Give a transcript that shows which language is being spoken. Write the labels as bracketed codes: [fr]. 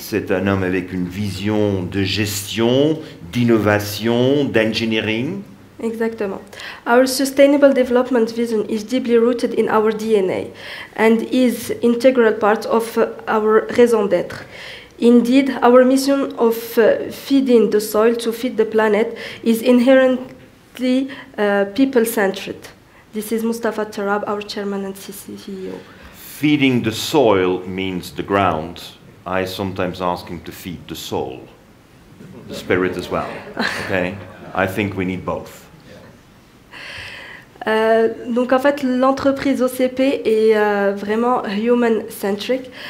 [fr] C'est un homme avec une vision de gestion, d'innovation, d'engineering. Exactement. [en] Our sustainable development vision is deeply rooted in our DNA and is integral part of our raison d'être. Indeed, our mission of feeding the soil to feed the planet is inherently people-centered. This is Mustafa Tarab, our chairman and CEO. Feeding the soil means the ground. I sometimes ask him to feed the soul, the spirit as well. Okay? I think we need both. [fr] Donc en fait, l'entreprise OCP est vraiment human-centric.